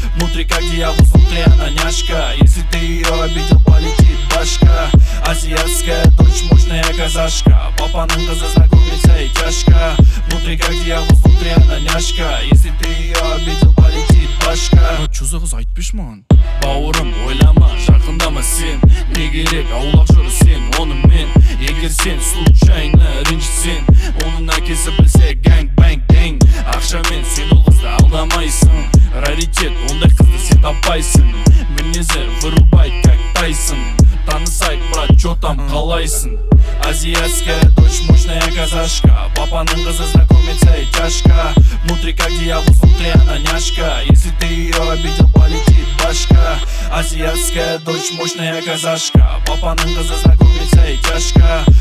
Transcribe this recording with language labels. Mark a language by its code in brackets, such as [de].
[ru] Внутри как дьявол, внутри она няшка. Если ты ее обидел, полетит башка. Азиатская дочь, мощная казашка. [kk] Папаның қызы [ru] знакомится и тяжко. Внутри как дьявол, внутри она няшка. Если ты ее обидел, полетит башка. Чё за [kk] қыз, айтпеш маған? Бауырым, ойлама, жақындама сен. Не керек, аулақ жүр сен, оның мен. Егер сен случайно ренжітсен, оның әкесі білсе гэнг бэнг гэнг. Ақшамен сен ол қызды алдамайсың. Раритет, ондай қызды сен таппайсың. Мінезі [ru] вырубай, как Тайсон. [kk] Танысай, [ru] брат, чё там [kk] қалайсың? [ru] Азиатская дочь, мощная казашка. [kk] Папаның қызы [ru] знакомится и тяжко. Внутри как дьявол, внутри она няшка. Если ты ее обидел, полетит башка. Азиатская дочь, мощная казашка. [kk] Папаның қызы [ru] знакомится и тяжко.